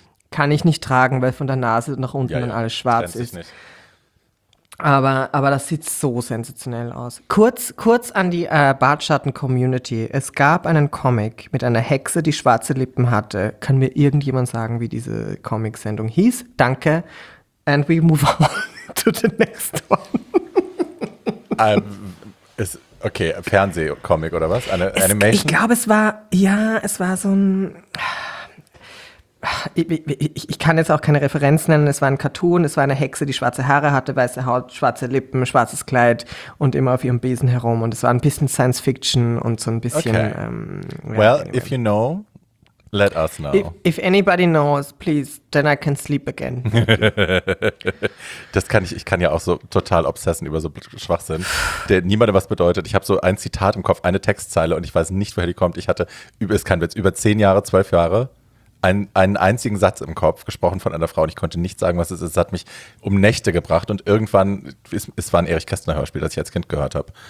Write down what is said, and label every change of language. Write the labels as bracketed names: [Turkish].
[German] Kann ich nicht tragen, weil von der Nase nach unten dann alles schwarz ist. Aber das sieht so sensationell aus. Kurz an die Bartschatten-Community. Es gab einen Comic mit einer Hexe, die schwarze Lippen hatte. Kann mir irgendjemand sagen, wie diese Comic-Sendung hieß? Danke. [English] And we move on to the next one. [German] Okay, Fernsehcomic oder was? Eine Animation? Ich glaube, es war so ein... Ich kann jetzt auch keine Referenz nennen. Es war ein Cartoon, es war eine Hexe, die schwarze Haare hatte, weiße Haut, schwarze Lippen, schwarzes Kleid und immer auf ihrem Besen herum. Und es war ein bisschen Science Fiction und so ein bisschen... [English] Okay. If you know... Let us know. If anybody knows, please, then I can sleep again. [German] Das kann ich kann ja auch so total obsessen über so Schwachsinn, der niemandem was bedeutet. Ich habe so ein Zitat im Kopf, eine Textzeile und ich weiß nicht, woher die kommt. Ich hatte, es kann jetzt über 10 Jahre, 12 Jahre, einen einzigen Satz im Kopf, gesprochen von einer Frau, und ich konnte nicht sagen, was es ist. Es hat mich um Nächte gebracht und irgendwann, es war ein Erich Kästner Hörspiel, das ich als Kind gehört habe.